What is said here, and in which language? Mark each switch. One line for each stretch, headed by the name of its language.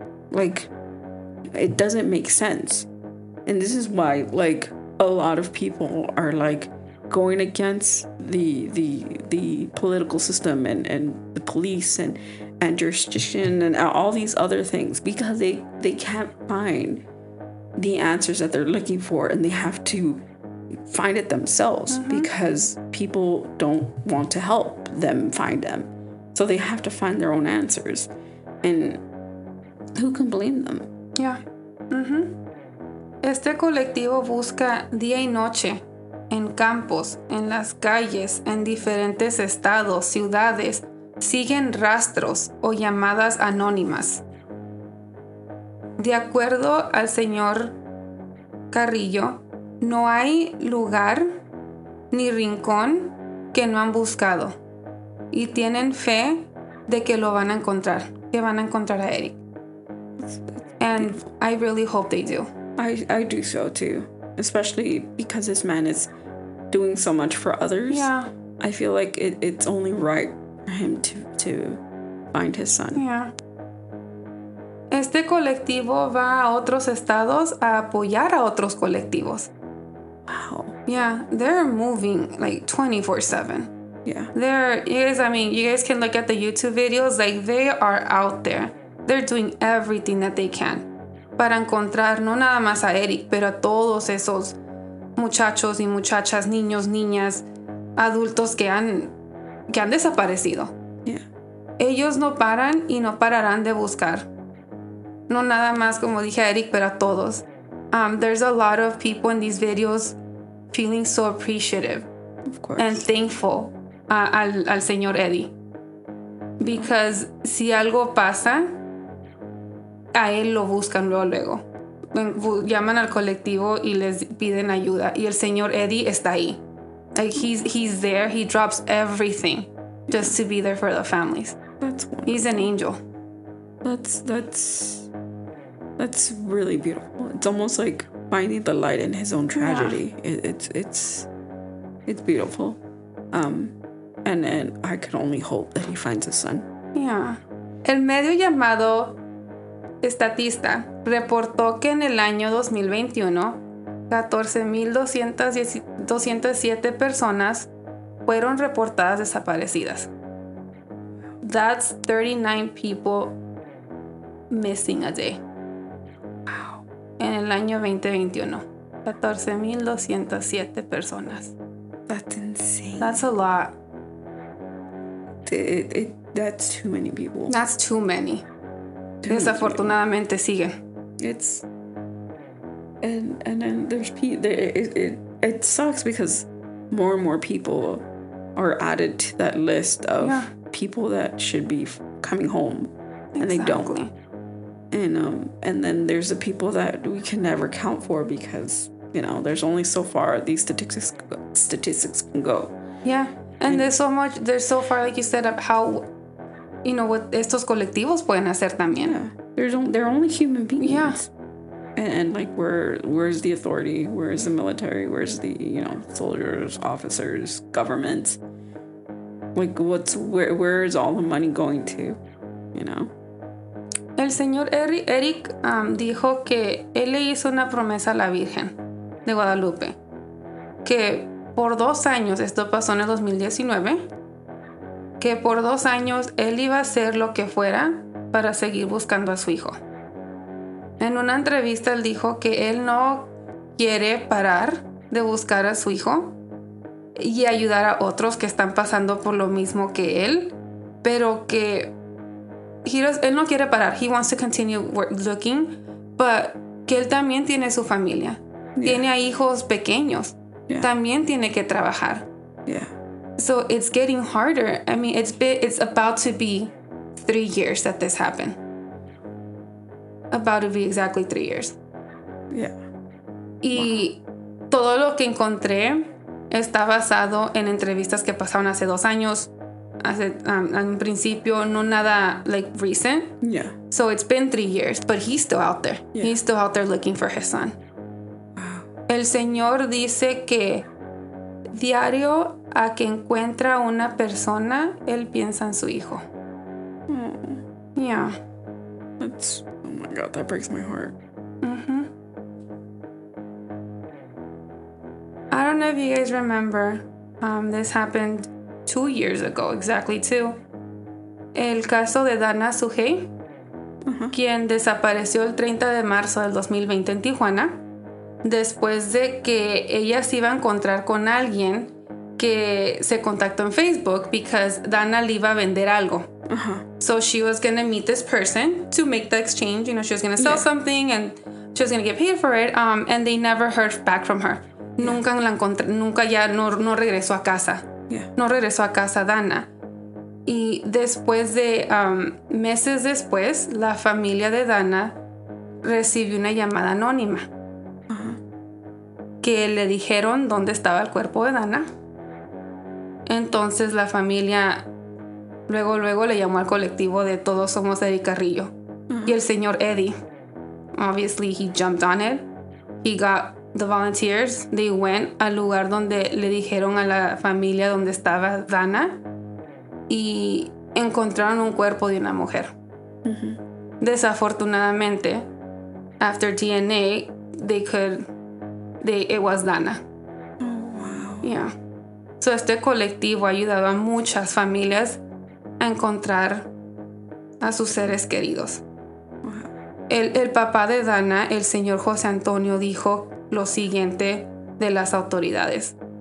English: Like, it doesn't make sense. And this is why, like, a lot of people are, like, going against the political system and the police and jurisdiction and all these other things, because they can't find the answers that they're looking for, and they have to find it themselves because people don't want to help them find them. So they have to find their own answers. And who can blame them? Yeah. Mm-hmm.
Spanish: Este colectivo busca día y noche en campos, en las calles, en diferentes estados, ciudades, siguen rastros o llamadas anónimas. De acuerdo al señor Carrillo, no hay lugar ni rincón que no han buscado. Y tienen fe de que lo van a encontrar, que van a encontrar a Eric.
English: And I really hope they do. I do so too. Especially because this man is doing so much for others. Yeah. I feel like it's only right for him to find his son. Yeah.
Spanish: Este colectivo va a otros estados a apoyar a otros colectivos.
English: Wow. Yeah, they're moving like 24/7. Yeah. You guys can look at the YouTube videos. Like, they are out there. They're doing everything that they can
Spanish: para encontrar no nada más a Eric, pero a todos esos muchachos y muchachas, niños, niñas, adultos que han desaparecido.
English: Yeah.
Spanish: Ellos no paran y no pararán de buscar. No nada más, como dije, a Eric, pero a todos.
English: There's a lot of people in these videos feeling so appreciative. Of course. And thankful
Spanish: al señor
English: Eddie.
Spanish: Because si algo pasa, a él lo buscan luego. Llaman al colectivo y les piden ayuda. Y el señor Eddie está ahí.
English: Like, he's there. He drops everything just to be there for the families. That's wonderful. He's an angel. That's really beautiful. It's almost like finding the light in his own tragedy. Yeah. It's beautiful. And I can only hope that he finds his son. Yeah.
Spanish: El medio llamado Estatista reportó que en el año 2021, 14,207 personas fueron reportadas desaparecidas.
English: That's 39 people missing a day. Wow. En el año 2021, 14,207 personas. That's insane. That's a lot. That's too many people. That's too many.
Spanish: Desafortunadamente siguen.
English: It's and there's it sucks because more and more people are added to that list of people that should be coming home, and exactly. They don't. And then there's the people that we can never count for because, you know, there's only so far these statistics can go. Yeah, and there's so much. There's so far, like you said, of how, you know, what
Spanish: estos colectivos pueden hacer también.
English: Yeah. They're only human beings. Yeah. And like, where's the authority? Where's the military? Where's the, you know, soldiers, officers, governments? Like, where is all the money going to, you know?
Spanish: El señor Eric dijo que él le hizo una promesa a la Virgen de Guadalupe que por 2 años, esto pasó en el 2019, que por 2 años él iba a hacer lo que fuera para seguir buscando a su hijo. En una entrevista él dijo que él no quiere parar de buscar a su hijo y ayudar a otros que están pasando por lo mismo que él, pero que él no quiere parar.
English: He wants to continue looking, but
Spanish: que él también tiene su familia.
English: Yeah.
Spanish: Tiene a hijos pequeños.
English: Yeah.
Spanish: También tiene que trabajar.
English: Yeah. So it's getting harder. I mean, it's about to be 3 years that this happened. About to be exactly 3 years. Yeah.
Spanish: Y todo lo que encontré está basado en entrevistas que pasaron hace 2 años, hace, en principio, no nada, like, recent.
English: Yeah. So it's been 3 years, but he's still out there. Yeah. He's still out there looking for his son.
Spanish: El Señor dice que diario a que encuentra una persona, él piensa en su hijo. Mm.
English: Yeah. That's, oh my God, that breaks my heart. I don't know if you guys remember, this happened 2 years ago, exactly two.
Spanish: El caso de Dana Sujei, quien desapareció el 30 de marzo del 2020 en Tijuana, después de que ella se iba a encontrar con alguien que se contactó en Facebook
English: because
Spanish: Dana le iba a vender algo.
English: So she was going to meet this person to make the exchange. You know, she was going to sell something and she was going to get paid for it. And they never heard back from her.
Spanish: Nunca la encontré, nunca ya no regresó a casa. No regresó a casa Dana. Y después de meses después, la familia de Dana recibió una llamada anónima. Que le dijeron dónde estaba el cuerpo de Dana. Entonces la familia luego le llamó al colectivo de Todos Somos Erick Carrillo. Y el señor
English: Eddie, obviously he jumped on it. He got the volunteers, they went
Spanish: al lugar donde le dijeron a la familia donde estaba Dana y encontraron un cuerpo de una mujer. Desafortunadamente,
English: after DNA, it was Dana. Oh, wow. Yeah.
Spanish: So este colectivo ha ayudado a muchas familias a encontrar a sus seres queridos.
English: Wow.
Spanish: El papá de Dana, el señor José Antonio, dijo lo siguiente de las autoridades.